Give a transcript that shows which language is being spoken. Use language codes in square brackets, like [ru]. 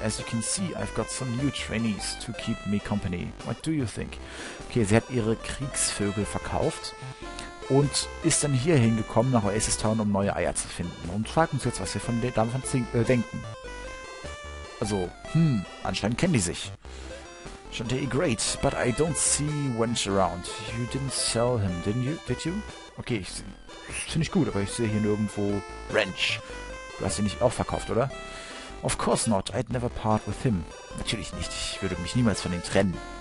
[en] As you can see, I've got some new trainees to keep me company. What do you think? [de] Okay, sie hat ihre Kriegsvögel verkauft und ist dann hier hingekommen nach Oasis Town, um neue Eier zu finden. Und frag uns jetzt, was wir von davon denken. Also, anscheinend kennen die sich. [en] Shantae, great, but I don't see Wench around. You didn't sell him, did you? [de] Okay, ich finde ich gut, aber ich sehe hier nirgendwo Wrench. Du hast ihn nicht auch verkauft, oder? [en] Of course not, I'd never part with him. [de] Natürlich nicht, ich würde mich niemals von ihm trennen.